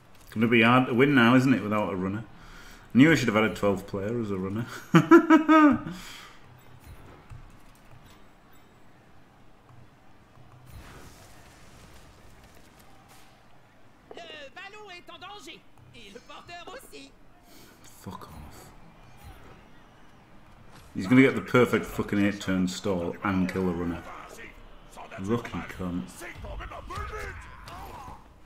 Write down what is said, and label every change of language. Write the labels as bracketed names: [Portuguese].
[English] Gonna be hard to win now, isn't it, without a runner? I knew I should have had a 12 player as a runner. [French] Le ballon est en danger, et le porteur aussi. [English] Fuck off. He's gonna get the perfect fucking 8 turn stall and kill a runner. Lucky cunt. Oh.